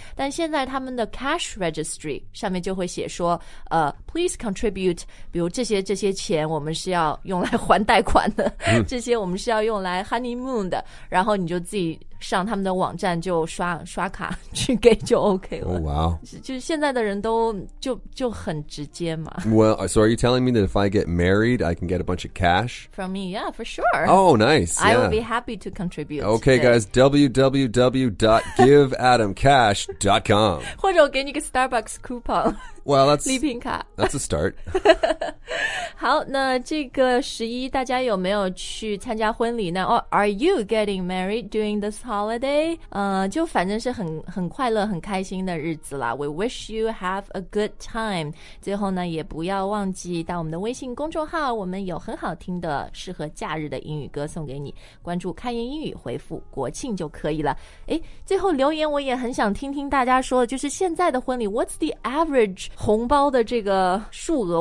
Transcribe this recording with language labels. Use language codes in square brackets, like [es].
[zh] 但现在他们的 cash registry 上面就会写说， [en] please contribute, [zh] 比如这些这些钱我们是要用来还贷款的，这些我们是要用来 honeymoon 的，然后你就自己上他们的网站就刷刷卡去给就 OK 了。 [en] Oh, wow. [zh] 就现在的人都就很直接嘛。 [en] Well, so are you telling me that if I get married, I can get a bunch of cash? From me, yeah, for sure. Oh, nice. I will be happy to contribute. Okay, guys, www.giveadamcash.com. [zh] 或者我给你一个 Starbucks coupon. [en] Well, that's... [zh] 礼品卡。 [en] That's a start. [zh] 好，那这个十一大家有没有去参加婚礼呢？ [en] Oh, are you getting married during the holiday? [zh] 就反正是很快乐很开心的日子啦。 [en] We wish you have a good time. [zh] 最后呢也不要忘记到我们的微信公众号，我们有很好听的适合假日的英语歌送给你，关注开言英语回复国庆就可以了。最后留言我也很想听听大家说的，就是现在的婚礼 [en] What's the average [zh] 红包的这个数额？